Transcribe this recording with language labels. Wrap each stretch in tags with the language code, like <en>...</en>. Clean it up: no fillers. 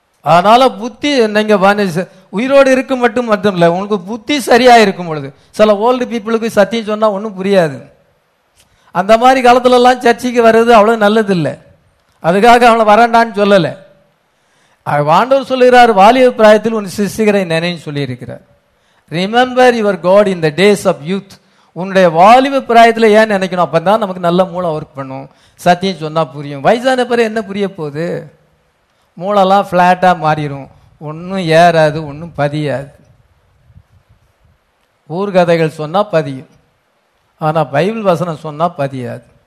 <ta>அதனால புத்தி நீங்கள் உயிரோடு இருக்கும் மட்டும் இல்லை, உங்களுக்கு புத்தி சரியாக இருக்கும் பொழுது. சில ஓல்டு பீப்புளுக்கு சத்தியம் சொன்னால் ஒன்றும் புரியாது. அந்த மாதிரி காலத்துலலாம் சர்ச்சைக்கு வர்றது அவ்வளோ நல்லது இல்லை, அதுக்காக அவனை வரண்டான்னு சொல்லலை. ஆண்டவர் சொல்லுகிறார், வாலிய பிராயத்தில் ஒன்று சிஷ்யரை நினைன்னு சொல்லியிருக்கிறார்.</ta> <en>Remember your God in the days of youth.</en> <ta>உன்னுடைய வாலிப பிராயத்தில் ஏன் நினைக்கணும், அப்போ தான் நமக்கு நல்ல மூளை ஒர்க் பண்ணும், சத்தியம் சொன்னால் புரியும். வயசான பிறகு என்ன புரிய போகுது, மூளைலாம் ஃப்ளாட்டாக மாறிடும், ஒன்றும் ஏறாது, ஒன்றும் பதியாது. ஊர்கதைகள் சொன்னால் பதியும், ஆனால் பைபிள் வசனம் சொன்னால் பதியாது.</ta>